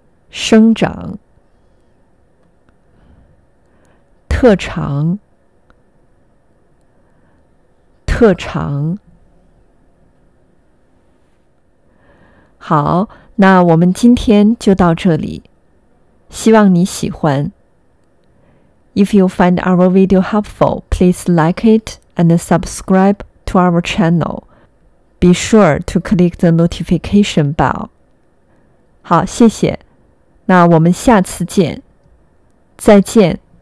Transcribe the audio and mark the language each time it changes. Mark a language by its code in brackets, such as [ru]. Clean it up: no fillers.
[zh] 生长，特长，特长。好，那我们今天就到这里，希望你喜欢。 [en] If you find our video helpful, please like it and subscribe to our channel. Be sure to click the notification bell. [zh] 好，谢谢。那我们下次见。再见。